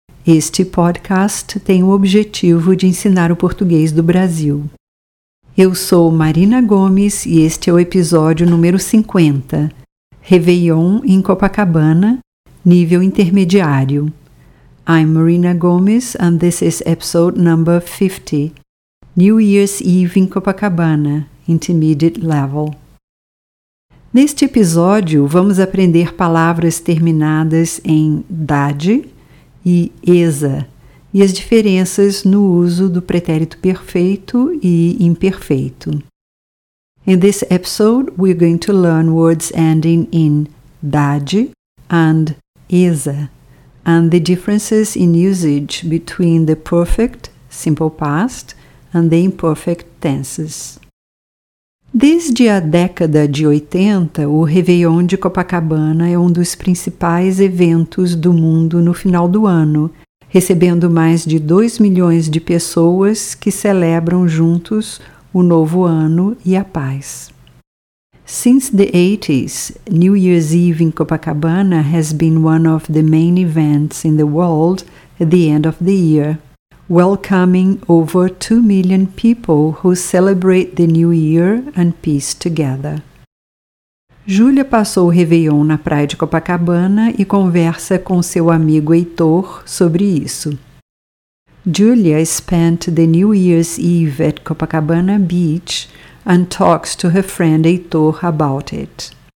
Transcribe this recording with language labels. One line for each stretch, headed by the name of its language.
Portuguese: Este podcast tem o objetivo de ensinar o português do Brasil. Eu sou Marina Gomes e este é o episódio número 50. Réveillon em Copacabana, nível intermediário.
English: I'm Marina Gomes and this is episode number 50. New Year's Eve in Copacabana, Intermediate Level.
Portuguese: Neste episódio, vamos aprender palavras terminadas em "-dade", e "-esa", e as diferenças no uso do pretérito perfeito e imperfeito.
English: In this episode, we're going to learn words ending in "-dade", and "-esa", and the differences in usage between the perfect, simple past, and the imperfect tenses.
Portuguese: Desde a década de 80, o Réveillon de Copacabana é um dos principais eventos do mundo no final do ano, recebendo mais de 2 milhões de pessoas que celebram juntos o novo ano e a paz.
English: Since the 80s, New Year's Eve in Copacabana has been one of the main events in the world at the end of the year, welcoming over 2 million people who celebrate the New Year and peace together.
Portuguese: Júlia passou o Réveillon na praia de Copacabana e conversa com seu amigo Heitor sobre isso.
English: Julia spent the New Year's Eve at Copacabana Beach and talks to her friend Heitor about it.